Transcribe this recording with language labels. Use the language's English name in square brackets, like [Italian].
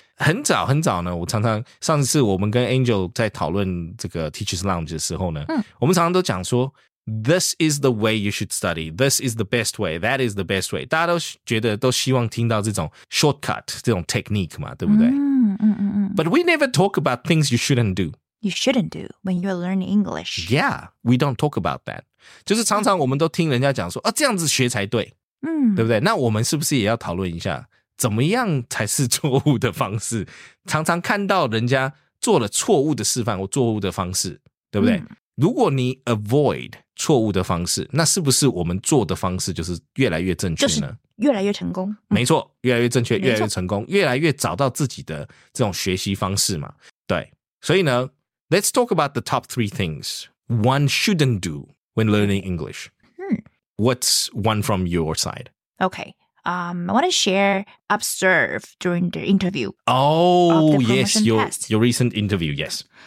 [Chinese] 很早很早呢，我常常上次我们跟 Angel 在讨论这个 Teacher's Lounge 的时候呢，我们常常都讲说 This is the way you should study. [English] This is the best way. That is the best way. [Chinese] 大家都觉得都希望听到这种 shortcut, 这种 technique 嘛，对不对？ [English] But we never talk about things you shouldn't do. You shouldn't do when you're learning English. Yeah, we don't talk about that. [Chinese] 就是常常我们都听人家讲说，啊，这样子学才对。对不对？那我们是不是也要讨论一下怎么样才是错误的方式？常常看到人家做了错误的示范或错误的方式，对不对？如果你 avoid 错误的方式，那是不是我们做的方式就是越来越正确呢？就是越来越成功、嗯、没错，越来越正确，越来越成功，越来越找到自己的这种学习方式嘛。 [English] 对，所以呢 Let's talk about the top three things one shouldn't do when learning English、嗯、 What's one from your side? Okay、I want to share observe during the interview. Oh the yes, your recent interview, yes.